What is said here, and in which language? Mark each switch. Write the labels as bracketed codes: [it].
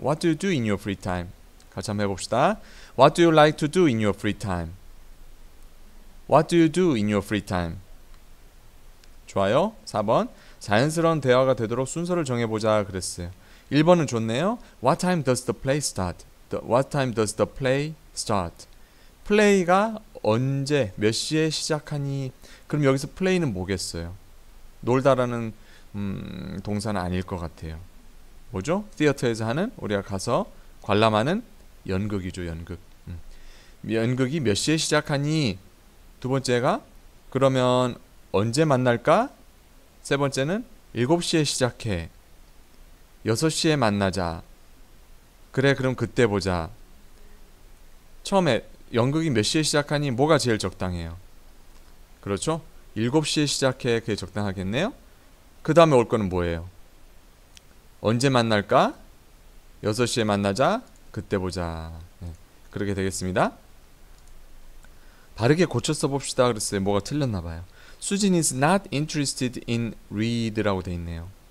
[en] What do you do in your free time? [ko] 같이 한번 해봅시다. [en] What do you like to do in your free time? What do you do in your free time? [ko] 좋아요. 4번. 자연스러운 대화가 되도록 순서를 정해보자 그랬어요. 1번은 좋네요. [en] What time does the play start? What time does the play start? [ko] 플레이가 언제, 몇 시에 시작하니? 그럼 여기서 플레이는 뭐겠어요? 놀다라는 동사는 아닐 것 같아요. 뭐죠? 티어터에서 하는, 우리가 가서 관람하는 연극이죠, 연극. 연극이 몇 시에 시작하니? 두 번째가 그러면 언제 만날까? 세 번째는 7시에 시작해. 6시에 만나자. 그래, 그럼 그때 보자. 처음에 연극이 몇 시에 시작하니 뭐가 제일 적당해요? 그렇죠? 7시에 시작해. 그게 적당하겠네요. 그 다음에 올 거는 뭐예요? 언제 만날까? 6시에 만나자. 그때 보자. 네, 그렇게 되겠습니다. 바르게 고쳐 써봅시다 그랬어요. 뭐가 틀렸나 봐요. [en] Susan is not interested in read [ko] 라고 돼 있네요.